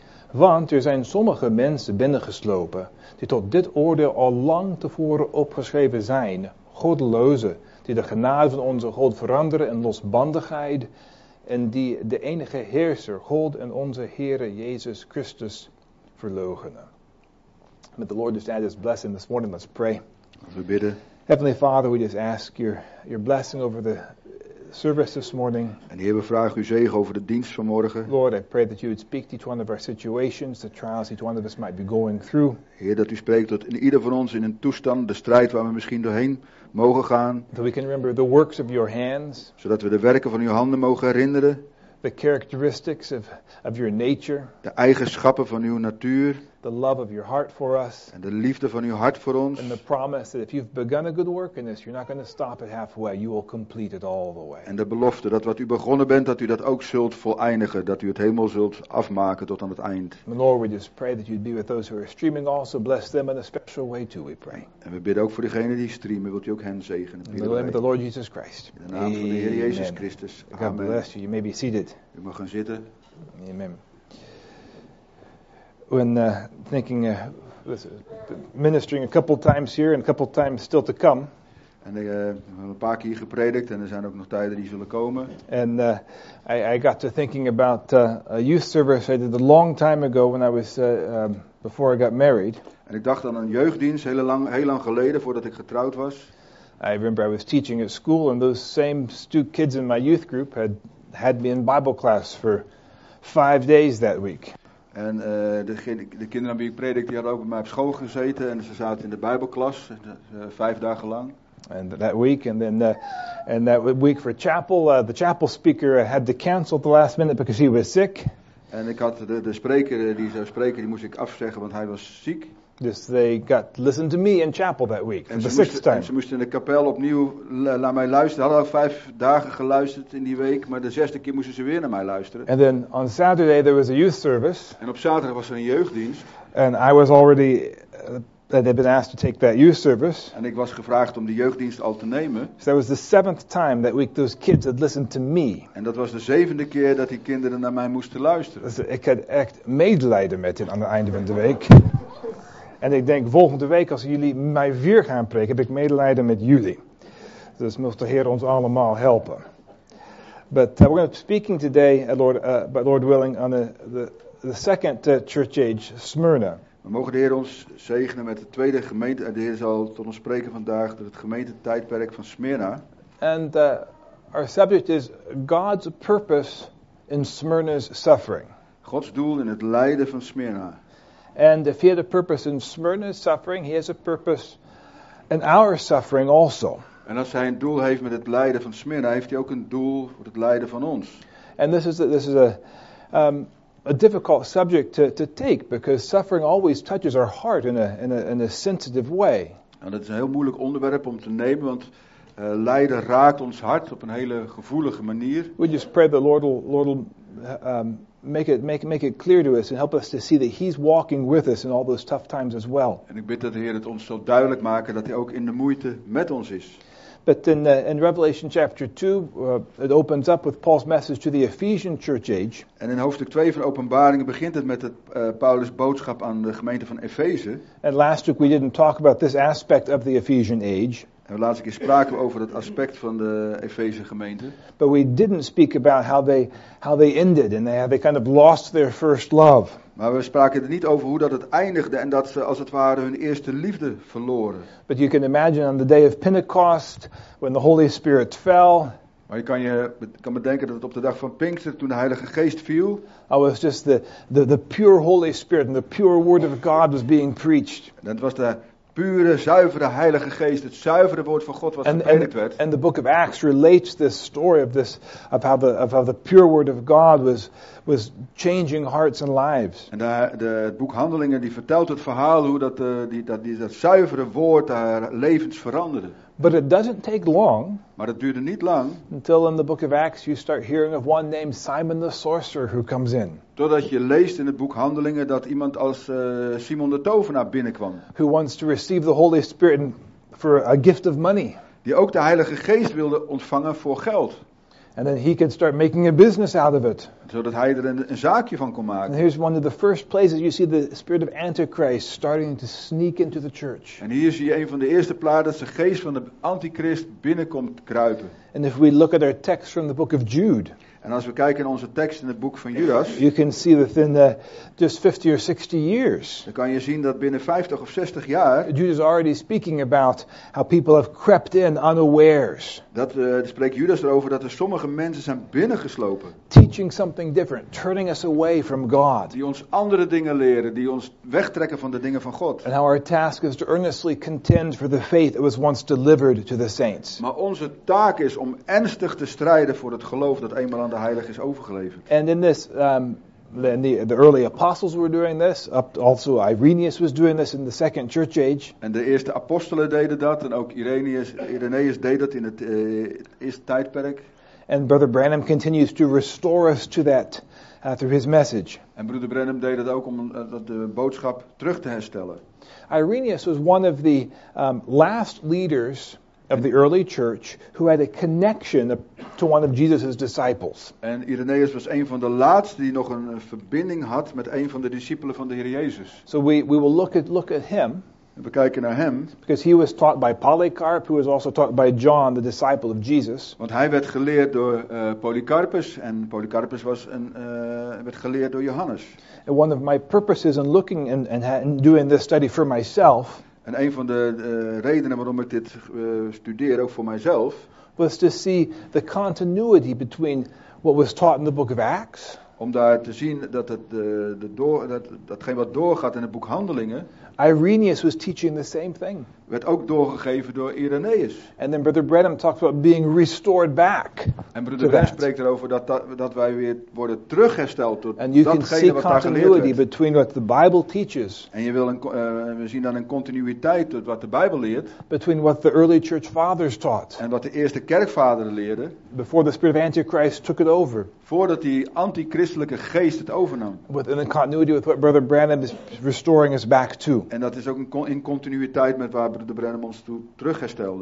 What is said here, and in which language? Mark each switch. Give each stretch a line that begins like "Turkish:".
Dutch: Want er zijn sommige mensen binnengeslopen die tot dit oordeel al lang tevoren opgeschreven zijn, goddelozen, die de genade van onze God veranderen in losbandigheid, en die de enige heerser, God en onze Heere Jezus Christus, verloochenen.
English: May the Lord just add His blessing this morning. Let's pray.
Dutch: We bidden.
English: Heavenly Father, we just ask your blessing over the service this morning.
Dutch: En Heer, we vragen uw zegen over de dienst vanmorgen.
English: Lord, I pray that you would speak to each one of our situations, the trials each one of us might be going through.
Dutch: Heer, dat u spreekt tot in ieder van ons in een toestand, de strijd waar we misschien doorheen mogen gaan.
English: That we can remember the works of your hands.
Dutch: Zodat we de werken van uw handen mogen herinneren.
English: The characteristics of your nature.
Dutch: De eigenschappen van uw natuur.
English: The love of your heart for us.
Dutch: En de liefde van uw hart voor ons.
English: And the promise that if you've begun a good work in this, you're not going to stop it halfway. You will complete it all the way.
Dutch: En de belofte dat wat u begonnen bent, dat u dat ook zult voleindigen, dat u het helemaal zult afmaken tot aan het eind.
English: And Lord, we just pray that you'd be with those who are streaming also. Bless them in a special way too, we pray.
Dutch: En we bidden ook voor diegenen die streamen. Wilt u ook hen zegenen?
English: In the name of the Lord Jesus Christ.
Dutch: In de naam van de Heer Jezus Christus.
English: God bless you. You may be seated.
Dutch: U mag gaan zitten. Amen.
English: When thinking, ministering a couple times here and a couple times still to come.
Dutch: En we hebben een paar keer gepredikt en er zijn ook nog tijden die zullen komen.
English: And I got to thinking about a youth service I did a long time ago when I was before I got married.
Dutch: En ik dacht aan een jeugddienst heel lang geleden voordat ik getrouwd was.
English: I remember I was teaching at school and those same two kids in my youth group had me in Bible class for 5 days that week.
Dutch: En de kinderen aan wie ik predik, die hadden ook bij mij op school gezeten en ze zaten in de Bijbelklas 5 dagen lang.
English: And that week, and then and that week for chapel, the chapel speaker had to cancel at the last minute because he was sick.
Dutch: En ik had de spreker die zou spreken, die moest ik afzeggen want hij was ziek. Dus
English: they got listen to me in chapel that week for the sixth time.
Dutch: En ze moesten in de kapel opnieuw naar mij luisteren. Hadden al 5 dagen geluisterd in die week, maar de 6e keer moesten ze weer naar mij luisteren.
English: And then on Saturday there was a youth service.
Dutch: En op zaterdag was er een jeugddienst.
English: And I was already they'd been asked to take that youth service.
Dutch: En ik was gevraagd om de jeugddienst al te nemen.
English: So that was the 7th time that week those kids had listened to me.
Dutch: En dat was de 7e keer dat die kinderen naar mij moesten luisteren. Dus ik had echt medelijden met hen aan het einde van de week. En ik denk, volgende week als jullie mij weer gaan preken, heb ik medelijden met jullie. Dus moest de Heer ons allemaal helpen.
English: But we're going to be speaking today, Lord willing, on the second church age, Smyrna.
Dutch: We mogen de Heer ons zegenen met de tweede gemeente. De Heer zal tot ons spreken vandaag door het gemeentetijdperk van Smyrna.
English: And our subject is God's purpose in Smyrna's suffering.
Dutch: Gods doel in het lijden van Smyrna.
English: And if he had a purpose in Smyrna's suffering, he has a purpose in our suffering also.
Dutch: En als hij een doel heeft met het lijden van Smyrna, heeft hij ook een doel voor het lijden van ons.
English: And this is a difficult subject to take because suffering always touches our heart in a sensitive way.
Dutch: En dat is een heel moeilijk onderwerp om te nemen, want lijden raakt ons hart op een hele gevoelige manier.
English: We just pray the Lord will make it clear to us and help us to see that he's walking with us in all those tough times as well.
Dutch: En ik bid dat de Heer het ons zo duidelijk maken dat hij ook in de moeite met ons is.
English: But in Revelation chapter 2, it opens up with Paul's message to the Ephesian church age.
Dutch: En in hoofdstuk 2 van Openbaringen begint het met het Paulus boodschap aan de gemeente van Efeze.
English: And last week we didn't talk about this aspect of the Ephesian age.
Dutch: En laatst een keer spraken we over dat aspect van de Efeze gemeente.
English: But we didn't speak about how they ended and they kind of lost their first love.
Dutch: Maar we spraken er niet over hoe dat het eindigde en dat ze als het ware hun eerste liefde verloren.
English: But you can imagine on the day of Pentecost when the Holy Spirit fell.
Dutch: Maar je kan bedenken dat het op de dag van Pinkster toen de Heilige Geest viel.
English: I was just the pure Holy Spirit and the pure Word of God was being preached.
Dutch: En dat was de pure, zuivere Heilige Geest, het zuivere woord van God wat gepredikt werd.
English: And the book of Acts relates this story of how the pure word of God was changing hearts and lives.
Dutch: En het boek Handelingen die vertelt het verhaal hoe dat zuivere woord daar levens veranderde.
English: But it doesn't take long.
Dutch: Maar het duurde niet lang.
English: Until in the book of Acts you start hearing of one named Simon the sorcerer who comes in.
Dutch: Totdat je leest in het boek Handelingen dat iemand als Simon de tovenaar binnenkwam.
English: Who wants to receive the Holy Spirit for a gift of money.
Dutch: Die ook de Heilige Geest wilde ontvangen voor geld.
English: And then he could start making a business out of it.
Dutch: Zodat hij er een zaakje van kon maken.
English: And here's one of the first places you see the spirit of Antichrist starting to sneak into the church.
Dutch: En hier zie je een van de eerste plaatsen dat de geest van de Antichrist binnenkomt kruipen.
English: And if we look at our text from the book of Jude.
Dutch: En als we kijken naar onze tekst in het boek van Judas.
English: You can see within just 50 or 60 years.
Dutch: Dan kan je zien dat binnen 50 of 60 jaar.
English: Judas is already speaking about how people have crept in unawares.
Dutch: Dat spreekt Judas erover dat er sommige mensen zijn binnengeslopen.
English: Teaching something different, turning us away from God.
Dutch: Die ons andere dingen leren, die ons wegtrekken van de dingen van God.
English: And how our task is to earnestly contend for the faith that was once delivered to the saints.
Dutch: Maar onze taak is om ernstig te strijden voor het geloof dat eenmaal aan de heilige is overgeleverd.
English: And in this the early apostles were doing this. Also Irenaeus was doing this in the second church age.
Dutch: En de eerste apostelen deden dat en ook Irenaeus deed dat in het eerste tijdperk.
English: And Brother Branham continues to restore us to that through his message.
Dutch: En Broeder Branham deed dat ook om de boodschap terug te herstellen.
English: Irenaeus was one of the last leaders of the early church who had a connection to one of Jesus's disciples.
Dutch: En Irenaeus was een van de laatste die nog een verbinding had met een van de discipelen van de Heer Jezus.
English: So we will look at him.
Dutch: We kijken naar hem.
English: Because he was taught by Polycarp, who was also taught by John, the disciple of Jesus.
Dutch: Want hij werd geleerd door Polycarpus, en Polycarpus was werd geleerd door Johannes.
English: And one of my purposes in looking and doing this study for myself.
Dutch: En een van de redenen waarom ik dit studeer ook voor mijzelf.
English: Was to see the continuity between what was taught in the book of Acts.
Dutch: Om daar te zien dat het datgene wat doorgaat in het boek Handelingen.
English: Irenaeus was teaching the same thing.
Dutch: Werd ook doorgegeven door Irenaeus.
English: And then Brother Branham talks about being restored back.
Dutch: En Brother Branham spreekt erover dat wij weer worden teruggesteld tot datgene wat daar geleerd werd.
English: And you can see continuity between what the Bible teaches.
Dutch: En we zien dan een continuïteit tot wat de Bijbel leert.
English: Between what the early church fathers taught.
Dutch: En wat de eerste kerkvaderen leerden.
English: Before the spirit of Antichrist took it over.
Dutch: Voordat die antichristelijke geest het overnam.
English: Within the continuity with what Brother Branham is restoring us back to.
Dutch: En dat is ook in continuïteit met waar Brother Branham ons toe terughestelde.